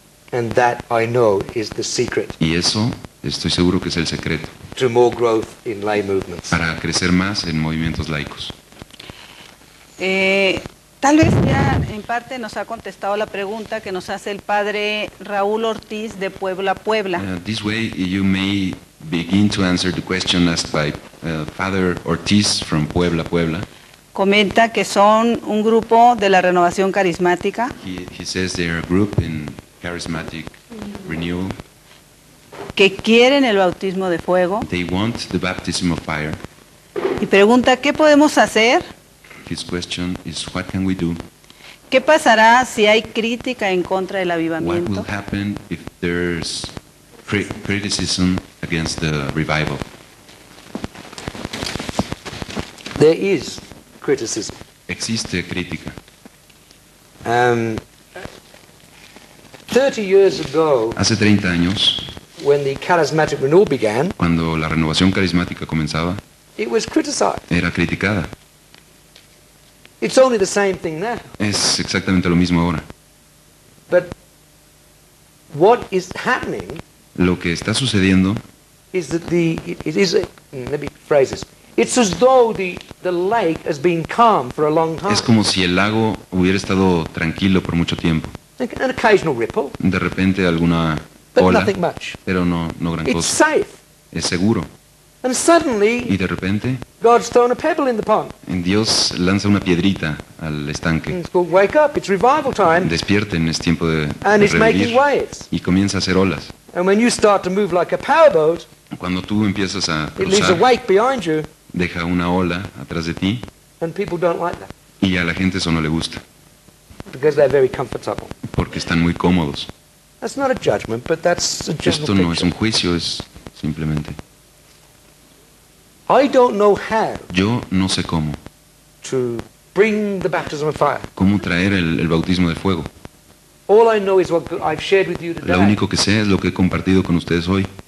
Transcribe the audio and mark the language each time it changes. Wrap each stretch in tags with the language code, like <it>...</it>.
<en>And that I know is the secret,</en> <es>y eso estoy seguro que es el secreto,</es> <en>to more growth in lay movements,</en> <es>para crecer más en movimientos laicos. Tal vez ya en parte nos ha contestado la pregunta que nos hace el padre Raúl Ortiz de Puebla, Puebla.</es> <en>This way you may begin to answer the question asked by Father Ortiz from Puebla, Puebla.</en> <es>Comenta que son un grupo de la renovación carismática.</es> <en>He says they are a group in charismatic renewal.</en> <es>Que quieren el bautismo de fuego.</es> <en>They want the baptism of fire.</en> <es>Y pregunta, ¿qué podemos hacer?</es> <en>His question is, what can we do?</en> <es>¿Qué pasará si hay crítica en contra del avivamiento?</es> <en>What will happen if there's criticism against the revival? There is criticism.</en> <es>Existe crítica.</es> <en>30 years ago,</en> <es>hace 30 años,</es> <en>when the charismatic renewal began,</en> <es>cuando la renovación carismática comenzaba,</es> <en>it was criticized.</en> <es>Era criticada.</es> <en>It's only the same thing now.</en> <es>Es exactamente lo mismo ahora.</es> <en>But what is happening?</en> <es>Lo que está sucediendo</es> <en>is that let me phrase this. It's as though the lake has been calm for a long time.</en> <es>Es como si el lago hubiera estado tranquilo por mucho tiempo.</es> <en>An occasional ripple.</en> <es>De repente alguna</es> <en>but</en> <es>ola.</es> <en>But nothing much.</en> <es>Pero no gran</es> <en>it's</en> <es>cosa.</es> <en>It's safe.</en> <es>Es seguro.</es> <en>And suddenly,</en> <es>y de repente,</es> <en>God's thrown a pebble in the pond.</en> <es>Dios lanza una piedrita al estanque.</es> <en>It's called, wake up, it's revival time.</en> <es>Despierten, es tiempo de revivir.</es> <en>And it's making waves.</en> <es>Y comienza a hacer olas.</es> <en>And when you start to move like a powerboat,</en> <es>cuando tú empiezas a cruzar,</es> <en>it leaves a wake behind you.</en> <es>Deja una ola atrás de ti.</es> <en>And people don't like that.</en> <es>Y a la gente eso no le gusta.</es> <en>Because they're very comfortable.</en> <es>Porque están muy cómodos.</es> <en>That's not a judgment, but that's a general picture.</en> <es>Esto no es un juicio, es simplemente.</es> <en>I don't know how.</en> <es>Yo no sé cómo.</es> <en>To bring the baptism of fire.</en> <es>¿Cómo traer el bautismo de fuego?</es> <en>All I know is what I've shared with you today.</en> <es>Lo único que sé es lo que he compartido con ustedes hoy.</es>